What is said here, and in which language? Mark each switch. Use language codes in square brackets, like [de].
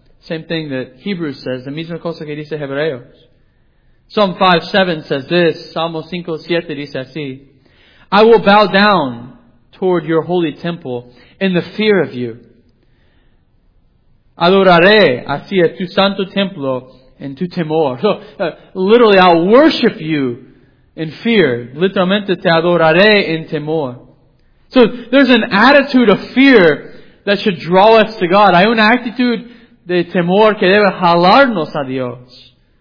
[en] Same thing that Hebrews says, [es] la misma cosa que dice Hebreos. [en] Psalm 5:7 says this, [es] Salmo 5:7 dice así, [en] I will bow down toward your holy temple in the fear of you. [es] Adoraré hacia tu santo templo en tu temor. [en] So, literally, I'll worship you in fear. [es] Literalmente, te adoraré en temor. [en] So, there's an attitude of fear that should draw us to God. [es] Hay una actitud de temor que debe jalarnos a Dios.